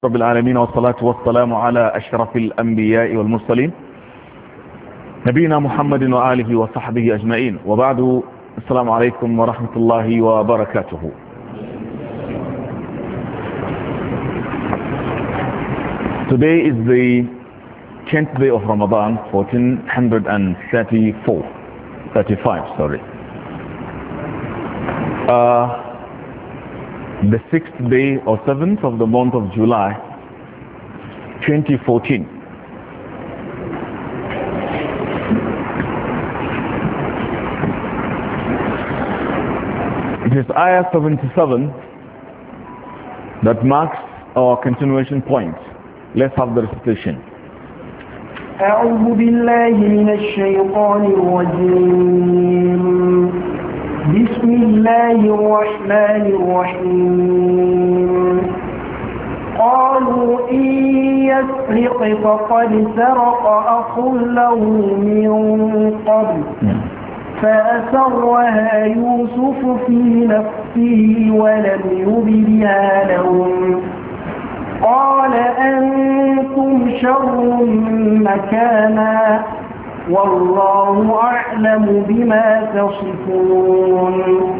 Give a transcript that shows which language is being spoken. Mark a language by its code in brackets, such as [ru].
[ar] رب العالمين والصلاة والسلام على أشرف الأنبياء والمرسلين نبينا محمد وآله وصحبه أجمعين وبعد السلام عليكم ورحمة الله وبركاته. [en] Today is the 10th day of Ramadan 1435. The 6th day or 7th of the month of July 2014. It is Ayah 77 that marks our continuation point. Let's have the recitation. [ar] أعوذ بالله من الشيطان الرجيم. بسم الله الرحمن الرحيم. قالوا إن يسرق فقد سرق أخ له من قبل فأسرها يوسف في نفسه ولم يبدها لهم قال أنتم شر مكانا والله أعلم بما تصفون.